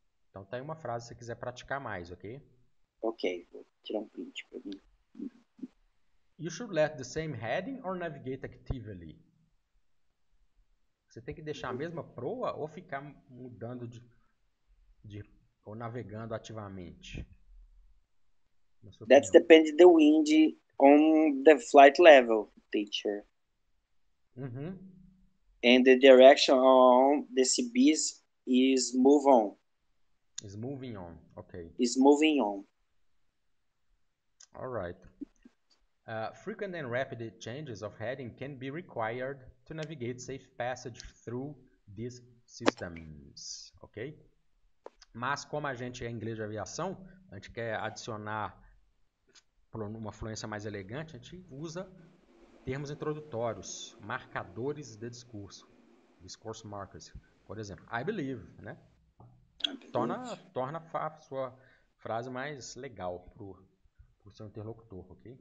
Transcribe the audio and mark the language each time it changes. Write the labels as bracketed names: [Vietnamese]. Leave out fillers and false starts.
[Portuguese] Então tá aí uma frase se você quiser praticar mais, ok? Ok. Vou tirar um print pra mim. [English] You should let the same heading or navigate actively. [Portuguese] Você tem que deixar a mesma proa ou ficar mudando ou navegando ativamente? [English] That depends the wind on the flight level, teacher. Uhum. And the direction on the CBs is move on. Is moving on, ok. Is moving on. Alright. Frequent and rapid changes of heading can be required to navigate safe passage through these systems, ok? [Portuguese] Mas como a gente é inglês de aviação, a gente quer adicionar uma fluência mais elegante, a gente usa termos introdutórios, marcadores de discurso, discourse markers. Por exemplo, [English] I believe, [Portuguese] né? Torna a sua frase mais legal pro seu interlocutor, ok?